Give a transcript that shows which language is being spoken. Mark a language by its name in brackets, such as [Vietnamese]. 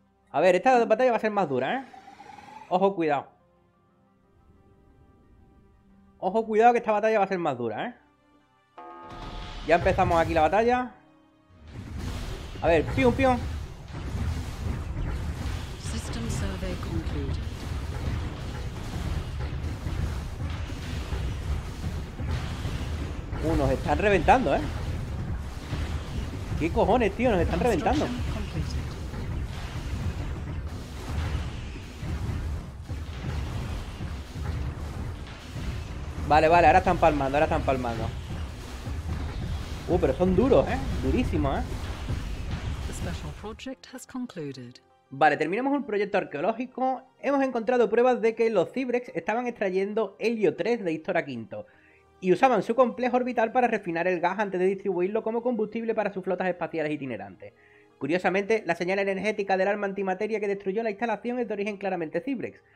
[Spanish] A ver, esta batalla va a ser más dura, ¿eh? Ojo, cuidado. Ojo, cuidado, que esta batalla va a ser más dura, ¿eh? Ya empezamos aquí la batalla. A ver, pium, pium. [English] System survey concluded. [Spanish] Nos están reventando, ¿eh? ¿Qué cojones, tío? Nos están reventando. Vale, vale, ahora están palmando, ahora están palmando. Pero son duros, ¿eh? Durísimos, ¿eh? [English] The special project has concluded. [Spanish] Vale, terminamos un proyecto arqueológico. Hemos encontrado pruebas de que los Cibrex estaban extrayendo helio 3 de Histora V y usaban su complejo orbital para refinar el gas antes de distribuirlo como combustible para sus flotas espaciales itinerantes. Curiosamente, la señal energética del arma antimateria que destruyó la instalación es de origen claramente Cibrex.